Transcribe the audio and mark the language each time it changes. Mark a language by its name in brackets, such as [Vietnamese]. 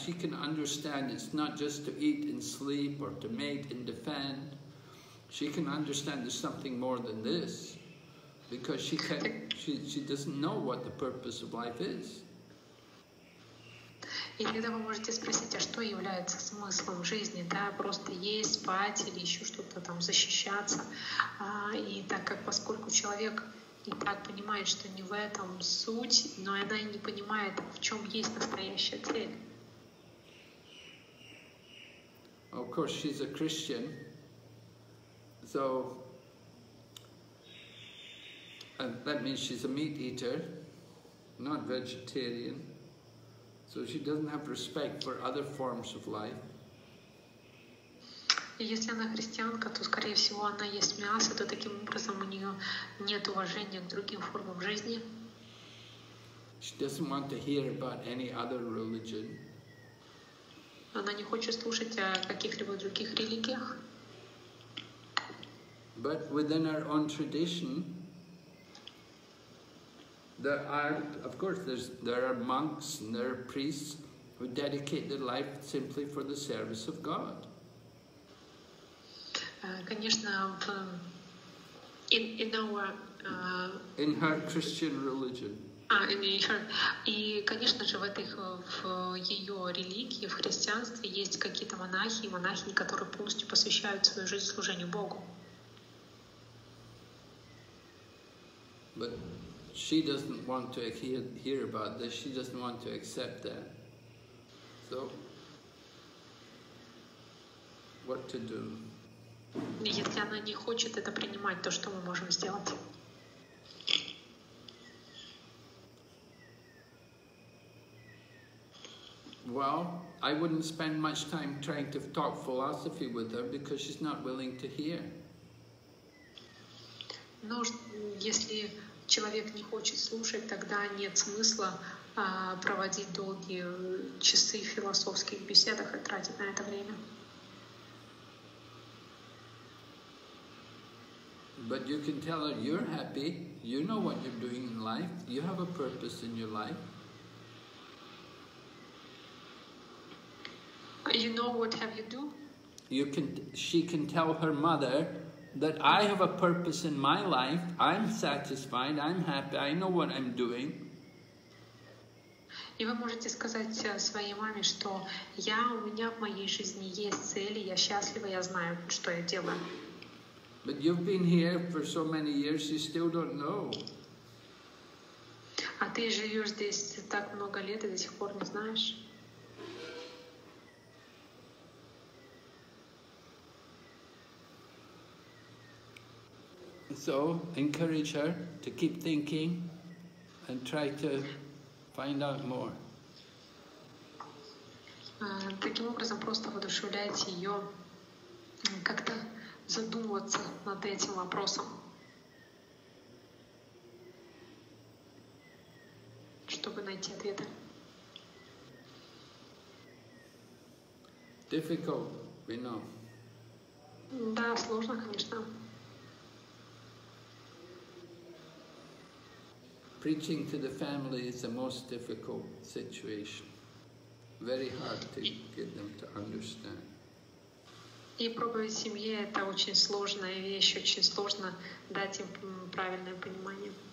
[English] She can understand it's not just to eat and sleep or to mate and defend. She can understand there's something more than this, because she doesn't know what the purpose of life is. [Russian] И тогда вы можете спросить, а что является смыслом жизни, да, просто есть, спать или еще что-то там, защищаться. И так как, поскольку человек и так понимает, что не в этом суть, но она и не понимает, в чем есть настоящая цель. [English] Of course, she's a Christian, so and that means she's a meat eater, not vegetarian. So she doesn't have respect for other forms of life. [Russian] Если она христианка, то, скорее всего, она ест мясо, то таким образом у нее нет уважения к другим формам жизни. [English] She doesn't want to hear about any other religion. [Russian] Она не хочет слушать о каких-либо других религиях. [English] But within our own tradition, there are monks and there are priests who dedicate their life simply for the service of God. [Russian] Конечно, [English] in her Christian religion. [Russian] И, конечно же, в ее религии, в христианстве, есть какие-то монахи и монахини, которые полностью посвящают свою жизнь служению Богу. [English] But she doesn't want to hear about this. She doesn't want to accept that. So, what to do? [Russian] Если она не хочет это принимать, то что мы можем сделать? [English] Well, I wouldn't spend much time trying to talk philosophy with her because she's not willing to hear. [Russian] Но если человек не хочет слушать, тогда нет смысла проводить долгие часы в философских беседах и тратить на это время. [English] But you can tell her you're happy. You know what you're doing in life. You have a purpose in your life. You know what have you do? You can. She can tell her mother that I have a purpose in my life. I'm satisfied. I'm happy. I know what I'm doing. [Russian] И вы можете сказать своей маме, что я у меня в моей жизни есть цели. Я счастлива. Я знаю, что я делаю. [English] But you've been here for so many years, you still don't know. [Russian] А ты живешь здесь так много лет и до сих пор не знаешь. [English] So encourage her to keep thinking and try to find out more. [Russian] Таким образом просто воодушевляйте ее как-то. Задумываться над этим вопросом, чтобы найти ответы. [English] Difficult, we know. [Russian] Да, сложно, конечно. [English] Preaching to the family is the most difficult situation. Very hard to get them to understand. [Russian] И проповедь семье – это очень сложная вещь, очень сложно дать им правильное понимание.